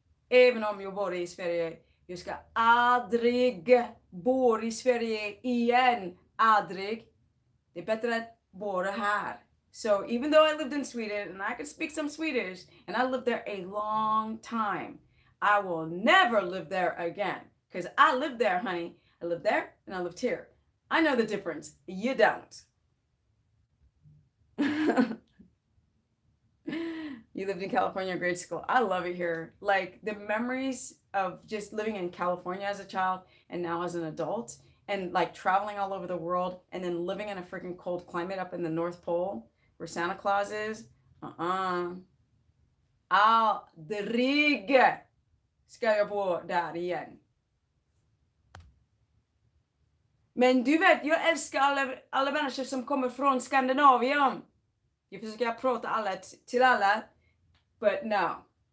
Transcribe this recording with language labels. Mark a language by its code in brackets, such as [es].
[sv] Även om jag bor i Sverige, jag ska aldrig bo i Sverige igen, aldrig. Det är bättre att bo här. [en] So even though I lived in Sweden and I could speak some Swedish and I lived there a long time, I will never live there again. Because I lived there, honey. I lived there and I lived here. I know the difference. You don't. You lived in California in grade school. I love it here. Like the memories of just living in California as a child and now as an adult and like traveling all over the world and then living in a freaking cold climate up in the North Pole where Santa Claus is. [sv] Aldrig ska jag bo där igen. Men du vet, jag älskar alla människor som kommer från Skandinavien. Jag försöker prata alla till alla, [en] but no.